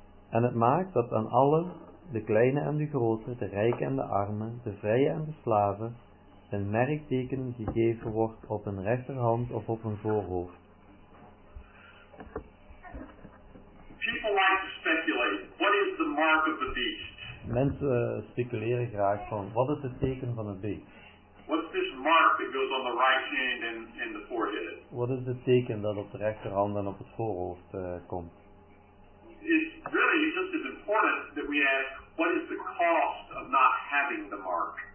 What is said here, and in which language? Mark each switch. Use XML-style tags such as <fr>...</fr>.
<nl>En het maakt dat aan alle, de kleine en de grote, de rijke en de arme, de vrije en de slaven, een merkteken gegeven wordt op hun rechterhand of op hun voorhoofd.</nl> <en>People like to speculate. What is the mark of the beast?</en> <nl>Mensen speculeren graag van wat is het teken van het beest?</nl> <en>What's this mark that goes on the right hand and in the forehead?</en> <nl>Wat is het teken dat op de rechterhand en op het voorhoofd komt?</nl> <en>It's really just as important that we ask what is the cost of not having the mark.</en>